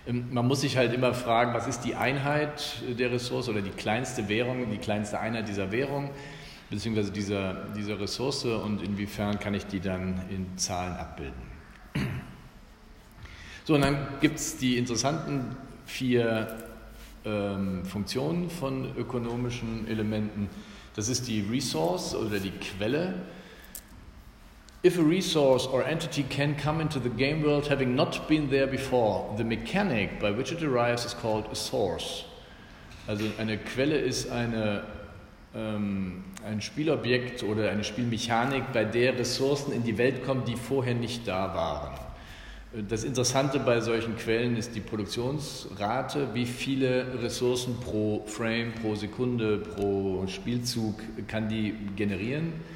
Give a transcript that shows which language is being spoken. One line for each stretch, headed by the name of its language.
German: Man muss sich halt immer fragen, was ist die Einheit der Ressource oder die kleinste Währung, die kleinste Einheit dieser Währung beziehungsweise dieser Ressource und inwiefern kann ich die dann in Zahlen abbilden. So, und dann gibt es die interessanten 4 Funktionen von ökonomischen Elementen. Das ist die Resource oder die Quelle.
English: If a resource or entity can come into the game world having not been there before, the mechanic by which it arrives is called a source.
German: Also eine Quelle ist ein Spielobjekt oder eine Spielmechanik, bei der Ressourcen in die Welt kommen, die vorher nicht da waren. Das Interessante bei solchen Quellen ist die Produktionsrate, wie viele Ressourcen pro Frame, pro Sekunde, pro Spielzug kann die generieren.